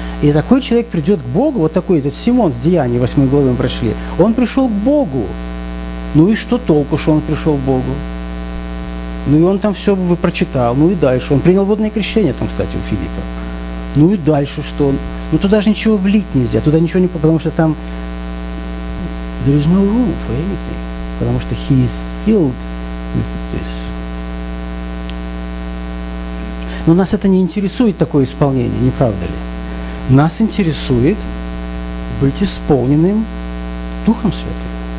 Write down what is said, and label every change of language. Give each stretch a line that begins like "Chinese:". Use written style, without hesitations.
Russian: И такой человек придет к Богу, вот такой этот Симон с Деяний, 8 главы мы прошли, он пришел к Богу. Ну и что толку, что он пришел к Богу? Ну и он там все бы прочитал, ну и дальше. Он принял водное крещение там, кстати, у Филиппа. Ну и дальше что? Ну туда же ничего влить нельзя, туда ничего не... Потому что там...
English: There is no room for anything.
Russian: Потому что
English: he is filled with this.
Russian: Но нас это не интересует, такое исполнение, не правда ли? Нас интересует быть исполненным Духом Святым.